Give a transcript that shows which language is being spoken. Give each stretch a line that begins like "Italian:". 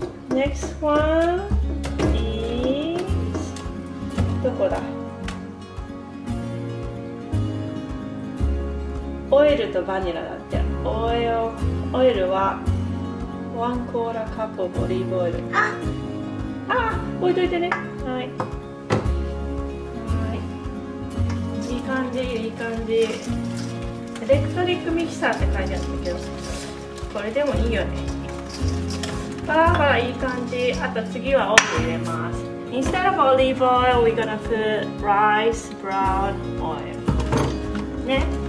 Japanese: 次は、
English: next one is
Japanese: どこだ？オイルとバニラだって。オイルは1コーラカップオリーブオイル。ああ、置いといてね。はい。いい感じ、いい感じ。エレクトリックミキサーって書いてあったけど。これでもいいよね。ほらほら、いい感じ。あと次はオーブン入れます。
English: Instead of olive oil, we're gonna put rice brown oil ね。